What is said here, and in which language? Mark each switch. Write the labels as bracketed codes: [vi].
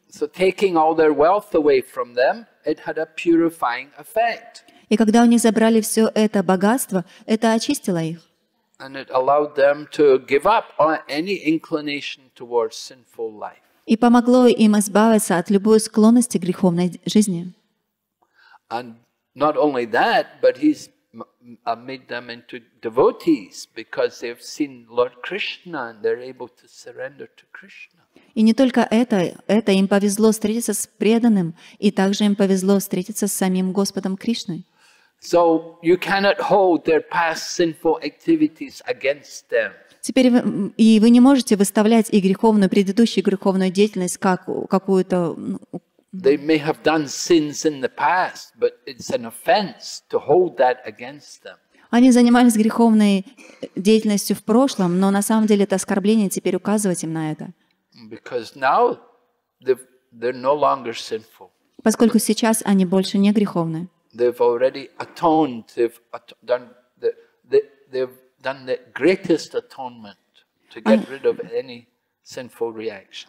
[en] So taking all their wealth away from them, it had a purifying effect. [ru] И когда они забрали все это богатство, это очистило их. [en] And it allowed them to give up on any inclination towards sinful life. [ru] И помогло им избавиться от любой склонности к греховной жизни. [en] And not only that, but he's made them into devotees because they've seen Lord Krishna and they're able to surrender to Krishna. [ru] И не только это им повезло встретиться с преданным, и также им повезло встретиться с самим Господом Кришной. [en] So you cannot hold their past sinful activities against them. [ru] Теперь вы не можете выставлять и греховную, предыдущую греховную деятельность как какую-то... [en] They may have done sins in the past, but it's an offense to hold that against them. [ru] Они занимались греховной деятельностью в прошлом, но на самом деле это оскорбление теперь указывать им на это. [en] Because now they're no longer sinful. [ru] Поскольку сейчас они больше не греховны. [en] They've already atoned, they've done the greatest atonement to get rid of any sinful reaction.